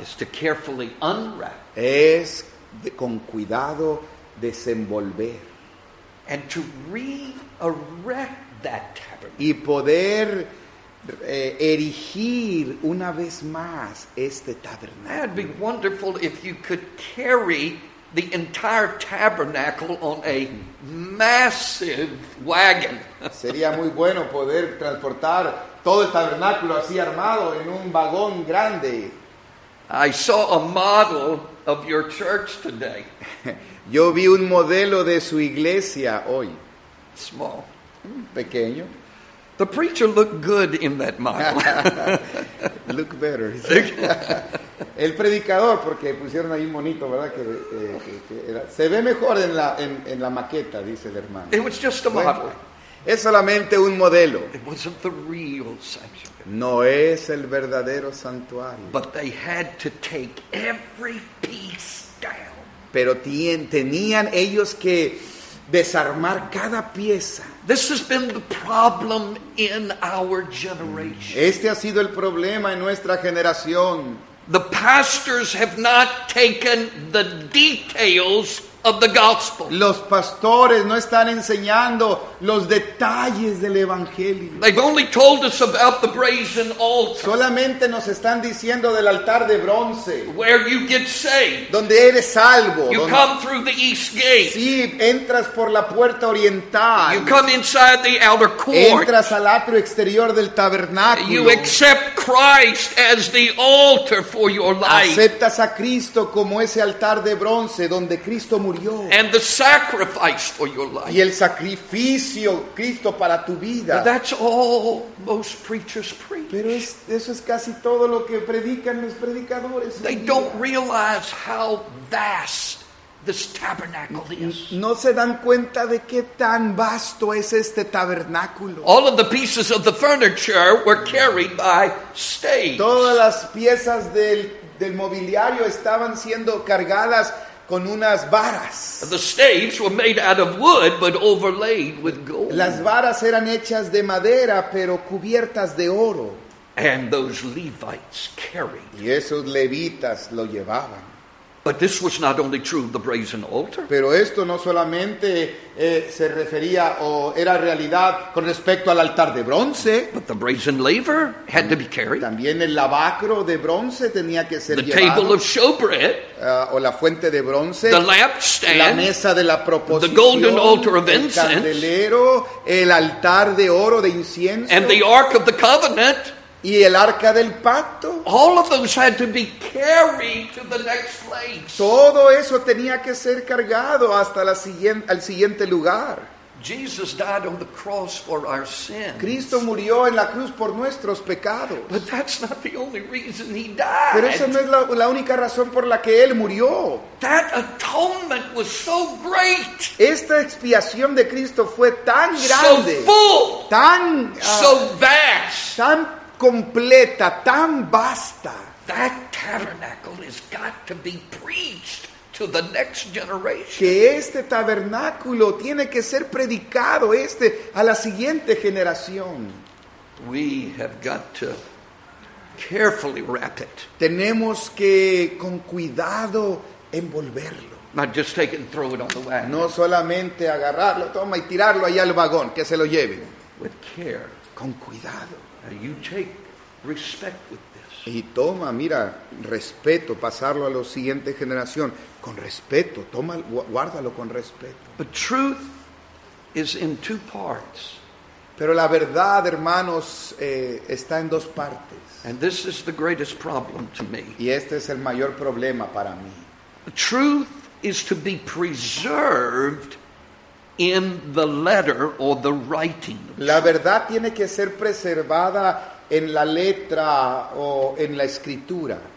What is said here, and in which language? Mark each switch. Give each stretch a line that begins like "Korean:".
English: Is to carefully unwrap.
Spanish: Es con cuidado desenvolver.
English: And to re-erect that tabernacle.
Spanish: Y poder erigir una vez más este tabernáculo.
English: It'd be wonderful if you could carry the entire tabernacle on a massive wagon.
Spanish: Sería muy bueno poder transportar todo el tabernáculo así armado en un vagón grande.
English: I saw a model of your church today.
Spanish: Yo vi un modelo de su iglesia hoy.
English: Small.
Spanish: Pequeño.
English: The preacher looked good in that model. Look better. Okay.
Spanish: El predicador, porque pusieron ahí un monito, ¿verdad? Que era, se ve mejor en la maqueta, dice el hermano.
English: It was just a model.
Spanish: Bueno, es solamente un modelo.
English: It wasn't the real sanctuary.
Spanish: No es el verdadero santuario.
English: But they had to take every piece down.
Spanish: Pero tenían ellos que desarmar cada pieza.
English: This has been the problem in our generation.
Spanish: Este ha sido el problema en nuestra generación.
English: The pastors have not taken the details of the gospel.
Spanish: Los pastores no están enseñando los detalles del evangelio.
English: They've only told us about the brazen altar.
Spanish: Solamente nos están diciendo del altar de bronce.
English: Where you get saved.
Spanish: Donde eres salvo.
English: You
Spanish: donde...
English: come through the east gate.
Spanish: Sí, entras por la puerta oriental.
English: You come inside the outer court.
Spanish: Entras al atrio exterior del tabernáculo.
English: You accept Christ as the altar for your life.
Spanish: Aceptas a Cristo como ese altar de bronce donde Cristo murió.
English: And the sacrifice for your life.
Spanish: Y el sacrificio Cristo para tu vida.
English: But that's all most preachers preach.
Spanish: Pero eso es casi todo lo que predican los predicadores.
English: They don't realize how vast this tabernacle is.
Spanish: No se dan cuenta de qué tan vasto es este tabernáculo.
English: All of the pieces of the furniture were carried by staves.
Spanish: Todas las piezas del mobiliario estaban siendo cargadas con unas varas.
English: The staves were made out of wood but overlaid with gold.
Spanish: Las varas eran hechas de madera pero cubiertas de oro.
English: And those Levites carried.
Spanish: Y esos levitas lo llevaban.
English: But this was not only true of the brazen altar.
Spanish: Pero esto no solamente se refería o era realidad con respecto al altar de bronce.
English: But the brazen laver had to be carried.
Spanish: También el lavacro de bronce tenía que ser llevado.
English: The table of showbread.
Spanish: O la fuente de bronce.
English: The lampstand.
Spanish: La mesa de la proposición.
English: The golden altar of incense.
Spanish: El candelero, el altar de oro de incienso.
English: And the ark of the covenant.
Spanish: Y el arca del pacto.
English: All of those had to be carried to the next place.
Spanish: Todo eso tenía que ser cargado hasta al siguiente lugar.
English: Jesus died on the cross for our sins.
Spanish: Cristo murió en la cruz por nuestros pecados.
English: But that's not the only reason he died.
Spanish: Pero esa no es la única razón por la que él murió.
English: That atonement was so great.
Spanish: Esta expiación de Cristo fue tan grande.
English: So full.
Spanish: Tan so
English: vast.
Spanish: Tan completa, tan vasta.
English: That tabernacle has got to be preached to the next generation.
Spanish: Que este tabernáculo tiene que ser predicado a la siguiente generación.
English: We have got to carefully wrap it.
Spanish: Tenemos que con cuidado envolverlo.
English: Not just take it and throw it on the wagon.
Spanish: No solamente agarrarlo, toma y tirarlo allá al vagón, que se lo lleven.
English: With care.
Spanish: Con cuidado.
English: You take respect with this.
Spanish: Y toma, mira, respeto, pasarlo a la siguiente generación con respeto, toma, guárdalo con respeto.
English: But truth is in two parts.
Spanish: Pero la verdad, hermanos, está en dos partes.
English: And this is the greatest problem to me.
Spanish: Y este es el mayor problema para mí.
English: The truth is to be preserved in the letter or the writing.
Spanish: La verdad tiene que ser preservada en la letra o en la escritura.